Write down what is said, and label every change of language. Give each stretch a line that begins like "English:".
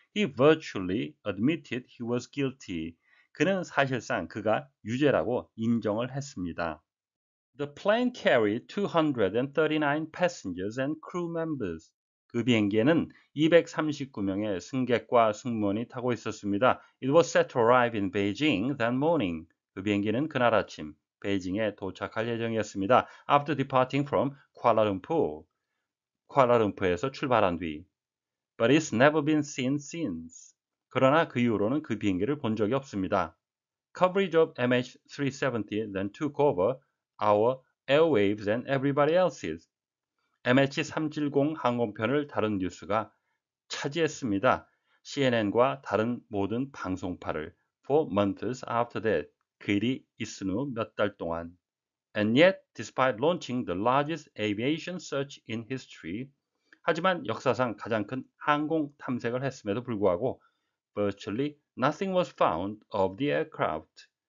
English: He virtually admitted he was guilty.
Korean: 그는 사실상 그가 유죄라고 인정을 했습니다.
English: The plane carried 239 passengers and crew members.
Korean: 그 비행기에는 239명의 승객과 승무원이 타고 있었습니다.
English: It was set to arrive in Beijing that morning.
Korean: 그 비행기는 그날 아침 베이징에 도착할 예정이었습니다.
English: After departing from Kuala Lumpur.
Korean: 쿠알라룸푸르에서 출발한 뒤.
English: But it's never been seen since.
Korean: 그러나 그 이후로는 그 비행기를 본 적이 없습니다.
English: Coverage of MH370 then took over our airwaves and everybody else's.
Korean: MH370 항공편을 다룬 뉴스가 차지했습니다. CNN과 다른 모든 방송파를
English: for months after that.
Korean: 그 일이 있은 후 몇 달 동안.
English: And yet, despite launching the largest aviation search in history,
Korean: 하지만 역사상 가장 큰 항공 탐색을 했음에도 불구하고
English: virtually nothing was found of the aircraft.